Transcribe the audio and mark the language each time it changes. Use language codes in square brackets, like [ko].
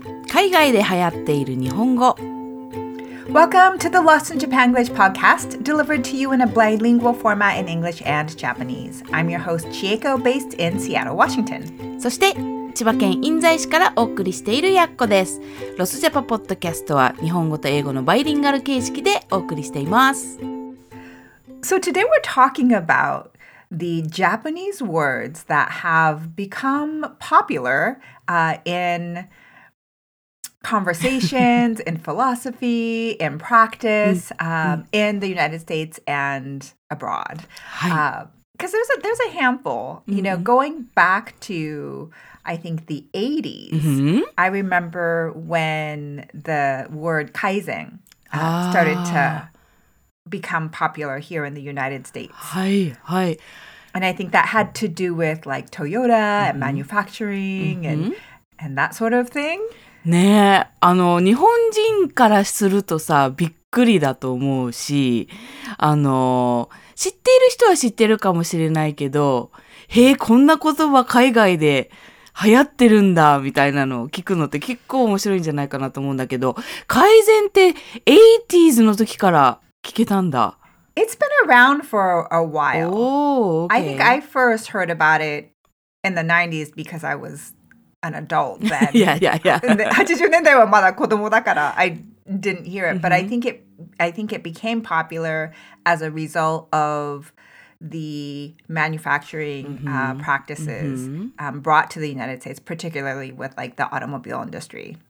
[ja] 海外で流行っている日本語 [en] Welcome to the Lost in Japan English podcast, delivered to you in a bilingual format in English and Japanese. I'm your host, Chieko, based in Seattle, Washington. [ja] そして、千葉県印西市からお送りしているやっこです。ロスジャパポッドキャストは日本語と英語のバイリンガル形式でお送りしています。 [en] So today we're talking about the Japanese words that have become popular in conversations, in philosophy, in practice, in the United States and abroad. Because there's a handful, you know, going back to, I think, the 80s, I remember when the word kaizen started to become popular here in the United States. Hi. And I think that had to do with like Toyota and manufacturing and that sort of thing. [ja] ねえ、あの、日本人からするとさ、びっくりだと思うし、あの、知っている人は知ってるかもしれないけど、へえ、こんな言葉海外で流行ってるんだ、みたいなのを聞くのって結構面白いんじゃないかなと思うんだけど、改善って80s の時から、聞けたんだ。 [en] It's been around for a while. Oh, okay. I think I first heard about it in the 90s because I was an adult then. Yeah. [ja] 80年代はまだ子供だから [en] I didn't hear it. But I think it became popular as a result of the manufacturing practices brought to the United States, particularly with like the automobile industry.